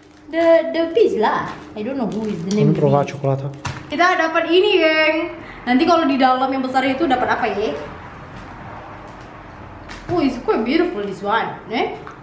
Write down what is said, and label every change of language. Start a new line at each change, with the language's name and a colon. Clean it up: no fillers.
English: The Beast
Malay: lah.
English: I don't know who is the name.
Malay: Provo coklat. Kita dapat ini, geng. Nanti kalau di dalam yang besar itu dapat apa ya?
English: Oh, it's quite beautiful this one, eh?